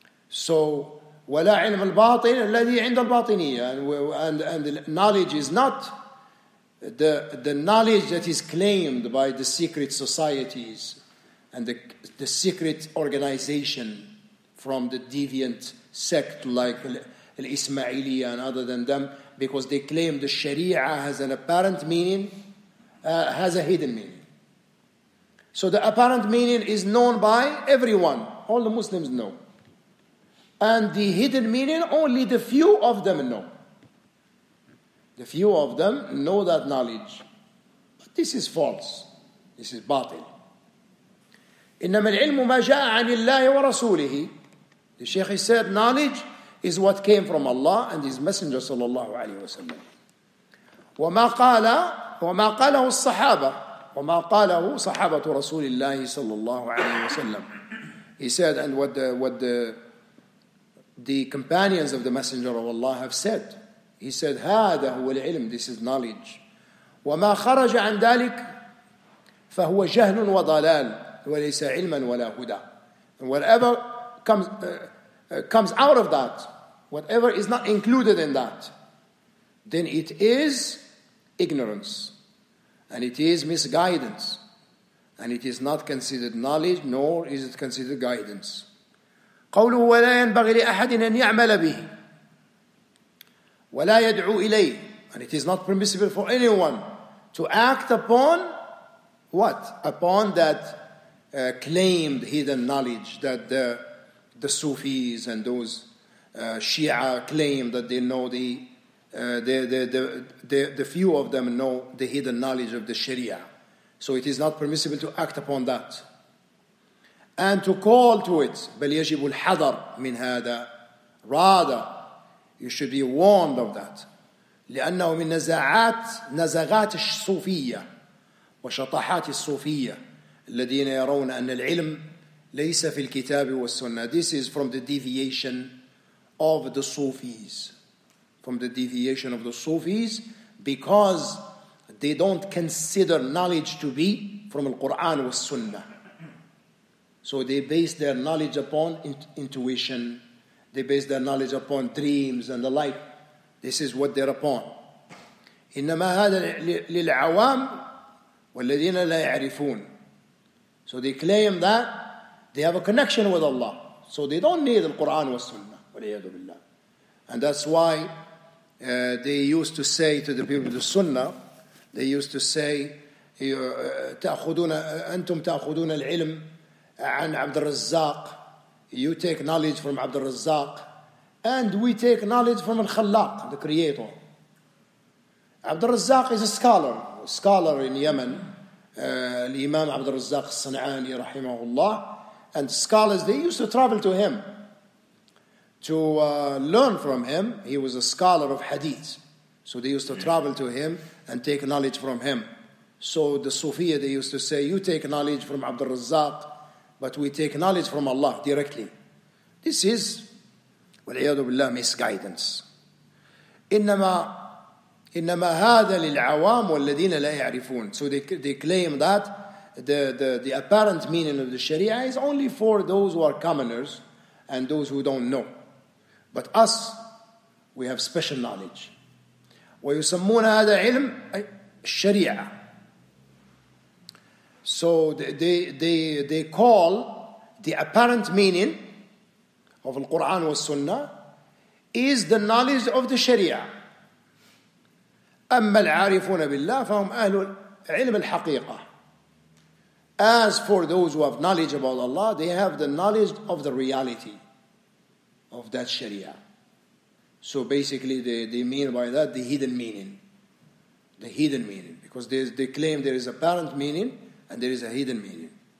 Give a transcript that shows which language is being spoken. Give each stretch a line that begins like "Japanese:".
English: So,
Arabic: ولا علم الباطن الذي عند الباطنية.
English: And knowledge is not the knowledge that is claimed by the secret societies and the secret organization from the deviant sect like al-Ismailiyya and other than them. Because they claim the Sharia has an apparent meaning, has a hidden meaning. So the apparent meaning is known by everyone. All the Muslims know. And the hidden meaning, only the few of them know. The few of them know that knowledge. But this is false. This is batil.
Arabic: إِنَّمَا الْعِلْمُ مَا جَاءَ عَنِ اللَّهِ وَرَسُولِهِ.
English: The Sheikh said, knowledge is what came from Allah and His Messenger
Arabic: صلى الله عليه وسلم. وما قاله الصحابة وما قاله صحابة رسول الله صلى الله عليه وسلم.
English: He said, and what the companions of the Messenger of Allah have said. He said,
Arabic: هذا هو العلم.
English: This is knowledge.
Arabic: وما خرج عن ذلك فهو جهل وضلال وليس علما ولا هدى.
English: And whatever comes out of that, whatever is not included in that, then it is ignorance. And it is misguidance. And it is not considered knowledge, nor is it considered guidance.
Arabic: قوله ولا ينبغي لأحد أن يعمل به ولا يدعو إليه.
English: And it is not permissible for anyone to act upon what? Upon that claimed hidden knowledge that the Sufis and those Shia claim that they know the few of them know the hidden knowledge of the Sharia. So it is not permissible to act upon that. And to call to it,
Arabic: بل يجب الحذر من هذا.
English: Rather, you should be warned of that.
Arabic: لأنه من نزغات الصوفية وشطحات الصوفية الذين يرون أن العلم ليس في الكتاب والسنة.
English: This is from the deviation of the Sufis. From the deviation of the Sufis, because they don't consider knowledge to be from the Quran or Sunnah. So they base their knowledge upon intuition. They base their knowledge upon dreams and the like. This is what they're upon.
Arabic: إنما هذا للعوام والذين لا يعرفون.
English: So they claim that they have a connection with Allah. So they don't need the Quran or Sunnah.
Arabic: والعياذ بالله.
English: And that's why they used to say to the people of the Sunnah, they used to say,
Arabic: أنتم تأخذون العلم عن عبد الرزاق.
English: You take knowledge from عبد الرزاق. And we take knowledge from الخلاق, the creator. عبد الرزاق is a scholar. Scholar in Yemen.
Arabic: الإمام عبد الرزاق الصنعاني رحمه الله.
English: And scholars, they used to travel to him to learn from him. He was a scholar of hadith. So they used to travel to him and take knowledge from him. So the Sufiya, they used to say, you take knowledge from Abdul Razzaq, but we take knowledge from Allah directly. This is,
Arabic: وَالْعِيَادُ بِاللَّهِ
English: misguidance.
Arabic: إِنَّمَا هَذَا لِلْعَوَامُ وَالَّذِينَ لَا يَعْرِفُونَ.
English: So they claim that the apparent meaning of the Sharia is only for those who are commoners and those who don't know. But us, we have special knowledge.
Arabic: وَيُسَمُّونَ هَذَا عِلْمُ الشَّرِيعَ.
English: So they call the apparent meaning of the Quran and Sunnah is the knowledge of the Sharia.
Arabic: أما العارفون بالله فهم أهل علم الحقيقة.
English: As for those who have knowledge about Allah, they have the knowledge of the reality of that Sharia. So basically they mean by that the hidden meaning. The hidden meaning. Because they claim there is apparent meaning and there is a hidden meaning.